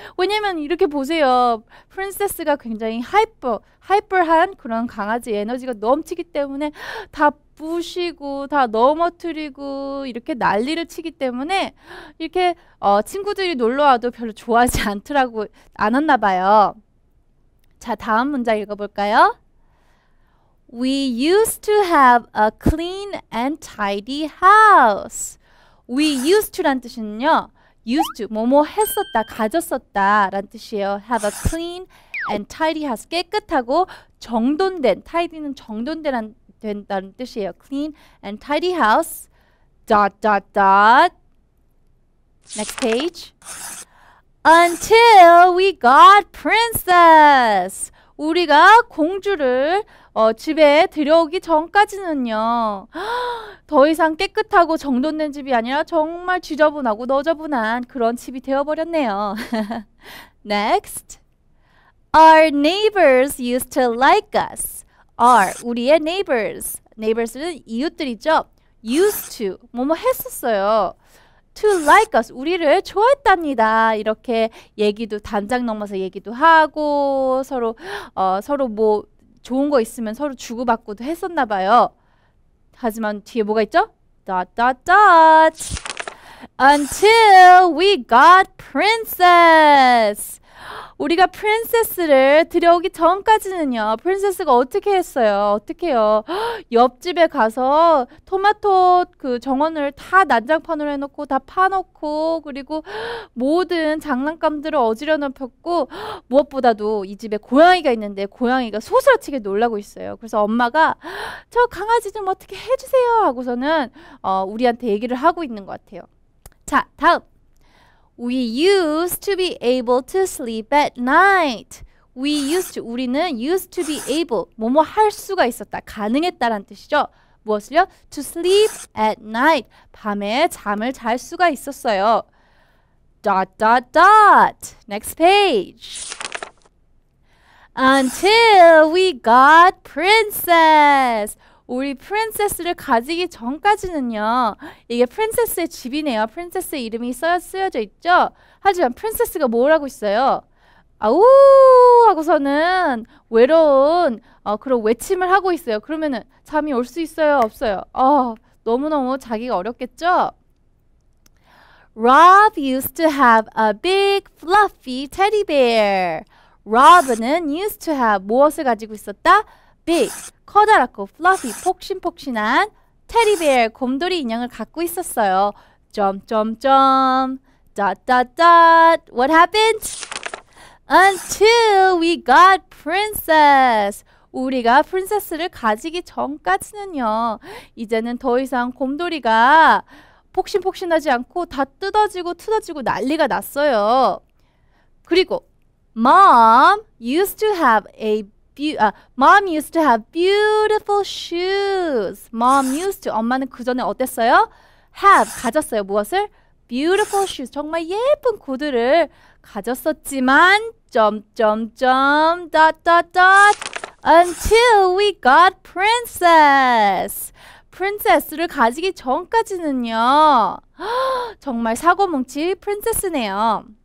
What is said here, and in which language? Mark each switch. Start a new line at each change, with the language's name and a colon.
Korean: 왜냐면 이렇게 보세요. 프린세스가 굉장히 하이퍼한 그런 강아지 에너지가 넘치기 때문에 다 부시고 다 넘어뜨리고 이렇게 난리를 치기 때문에 이렇게 친구들이 놀러 와도 별로 좋아하지 않더라고 않았나 봐요. 자, 다음 문장 읽어볼까요?
English: We used to have a clean and tidy house. We used to
Korean: 란 뜻은요, used to, 뭐뭐 했었다, 가졌었다 란 뜻이에요.
English: Have a clean and tidy house.
Korean: 깨끗하고 정돈된, tidy는 정돈된다는 뜻이에요.
English: Clean and tidy house. Dot, dot, dot. Next page. Until we got princess.
Korean: 우리가 공주를 집에 들여오기 전까지는요. 더 이상 깨끗하고 정돈된 집이 아니라 정말 지저분하고 너저분한 그런 집이 되어버렸네요.
English: Next. Our neighbors used to like us. Our,
Korean: 우리의
English: neighbors.
Korean: Neighbors는 이웃들이죠.
English: Used to,
Korean: 뭐뭐 했었어요.
English: To like us,
Korean: 우리를 좋아했답니다. 이렇게 얘기도 단장 넘어서 얘기도 하고 서로 뭐 좋은 거 있으면 서로 주고받고도 했었나 봐요. 하지만 뒤에 뭐가 있죠?
English: Dot, dot, dot. Until we got princess.
Korean: 우리가 프린세스를 들여오기 전까지는요. 프린세스가 어떻게 했어요? 어떻게 해요? 옆집에 가서 토마토 그 정원을 다 난장판으로 해놓고 다 파놓고 그리고 모든 장난감들을 어지러워놓고 무엇보다도 이 집에 고양이가 있는데 고양이가 소스라치게 놀라고 있어요. 그래서 엄마가 저 강아지 좀 어떻게 해주세요 하고서는 우리한테 얘기를 하고 있는 것 같아요. 자, 다음.
English: We used to be able to sleep at night. We used to,
Korean: 우리는
English: used to be able,
Korean: 뭐뭐 할 수가 있었다, 가능했다라는 뜻이죠. 무엇을요?
English: To sleep at night.
Korean: 밤에 잠을 잘 수가 있었어요.
English: Dot, dot, dot. Next page. Until we got princess.
Korean: 우리 프린세스를 가지기 전까지는요. 이게 프린세스의 집이네요. 프린세스의 이름이 쓰여져 있죠. 하지만 프린세스가 뭘 하고 있어요? 아우 하고서는 외로운 그런 외침을 하고 있어요. 그러면은 잠이 올 수 있어요? 없어요? 너무너무 자기가 어렵겠죠?
English: Rob used to have a big fluffy teddy bear.
Korean: Rob는
English: used to have
Korean: 무엇을 가지고 있었다? Big, 커다랗고 fluffy, 폭신폭신한 테디베어, 곰돌이 인형을 갖고 있었어요.
English: 점점점, dot, dot, dot. What happened? Until we got princess.
Korean: 우리가 프린세스를 가지기 전까지는요. 이제는 더 이상 곰돌이가 폭신폭신하지 않고 다 뜯어지고 틀어지고 난리가 났어요.
English: 그리고 mom used to have a Mom used to have beautiful shoes. Mom used to.
Korean: 엄마는 그 전에 어땠어요?
English: Have.
Korean: 가졌어요. 무엇을?
English: Beautiful shoes.
Korean: 정말 예쁜 구두를 가졌었지만 점점점
English: dot dot dot Until we got princess.
Korean: 프린세스를 가지기 전까지는요. 정말 사고뭉치 프린세스네요.